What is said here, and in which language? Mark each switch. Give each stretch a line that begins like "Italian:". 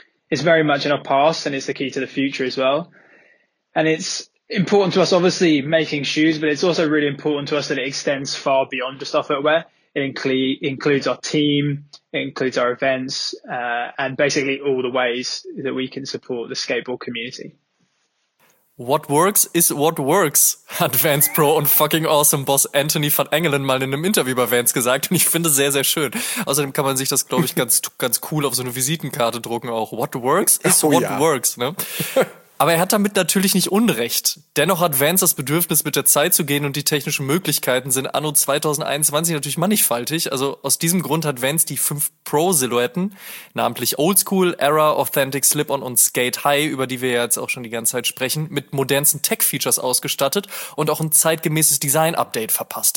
English: It's very much in our past and it's the key to the future as well. And it's important to us, obviously, making shoes, but it's also really important to us that it extends far beyond just our footwear. It includes our team, it includes our events, and basically all the ways that we can support the skateboard community. What works is what works,
German: hat Vans Pro und fucking awesome Boss Anthony van Engelen mal in einem Interview über Vans gesagt und ich finde es sehr, sehr schön. Außerdem kann man sich das, glaube ich, ganz ganz cool auf so eine Visitenkarte drucken auch.
English: What works is what works, ne?
German: Aber er hat damit natürlich nicht Unrecht. Dennoch hat Vans das Bedürfnis, mit der Zeit zu gehen und die technischen Möglichkeiten sind anno 2021 natürlich mannigfaltig. Also aus diesem Grund hat Vans die 5 Pro-Silhouetten, namentlich Old School, Era, Authentic, Slip-On und Skate High, über die wir ja jetzt auch schon die ganze Zeit sprechen, mit modernsten Tech-Features ausgestattet und auch ein zeitgemäßes Design-Update verpasst.